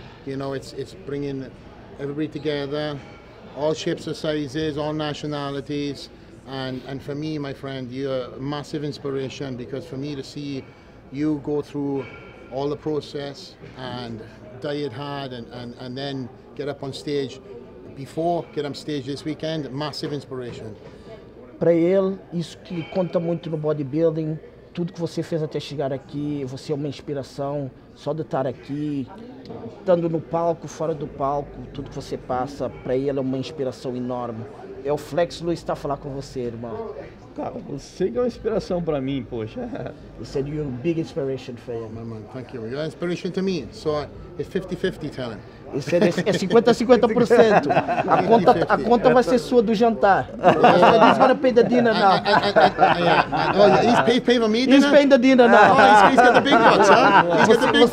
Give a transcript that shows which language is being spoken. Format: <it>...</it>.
<en>You know, it's bringing everybody together, all shapes and sizes, all nationalities, and for me, my friend, you're a massive inspiration because for me to see you go through all the process and diet hard and then get up on stage this weekend, massive inspiration.</en> <pt>Para ele, isso que conta muito no bodybuilding, tudo que você fez até chegar aqui, você é uma inspiração, só de estar aqui, estando no palco, fora do palco, tudo que você passa, para ele é uma inspiração enorme. É o Flex Luiz que está a falar com você, irmão. Cara, você que é uma inspiração para mim, poxa.</pt> <en>He said you're a big inspiration for him. Oh, my man, thank you. You're an inspiration to me, so it's 50-50 talent.</en> <pt>Isso é 50-50%. A conta vai ser sua do jantar.</pt> <en>He's gonna pay the dinner now. He's pay for me dinner? He's paying the dinner now. Oh, he's got the big bucks, huh? He's got the big bucks.</en>